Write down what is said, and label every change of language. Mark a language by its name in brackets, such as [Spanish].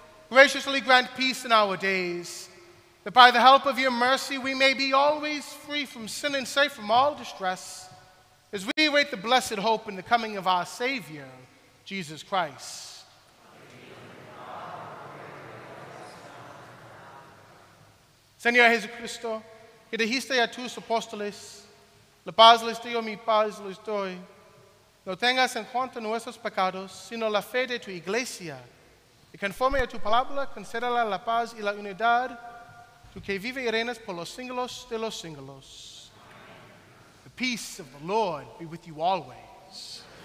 [English] Graciously grant peace in our days, that by the help of your mercy we may be always free from sin and safe from all distress, as we await the blessed hope in the coming of our Savior, Jesus Christ. [Spanish] Señor Jesucristo, que dijiste a tus apóstoles, la paz les doy, mi paz les doy. No tengas en cuenta nuestros pecados, sino la fe de tu iglesia. Y conforme a tu palabra, concédale la paz y la unidad, tú que vives y reinas por los siglos de los siglos. [English] The peace of the Lord be with you always.